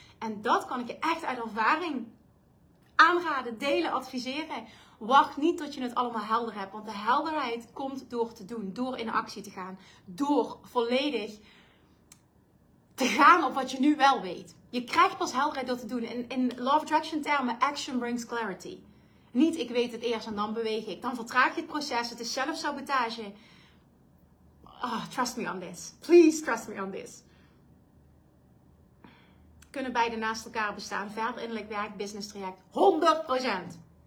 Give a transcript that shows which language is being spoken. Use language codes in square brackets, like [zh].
[nl] En dat kan ik je echt uit ervaring aanraden, delen, adviseren. Wacht niet tot je het allemaal helder hebt. Want de helderheid komt door te doen. Door in actie te gaan. Door volledig te gaan op wat je nu wel weet. Je krijgt pas helderheid door te doen. In Law of Attraction termen, [en] action brings clarity. [nl] Niet ik weet het eerst en dan beweeg ik. Dan vertraag je het proces. Het is zelfsabotage. [en] Oh, trust me on this. Please trust me on this. [nl] Kunnen beide naast elkaar bestaan. Verder innerlijk werk, business traject. 100%.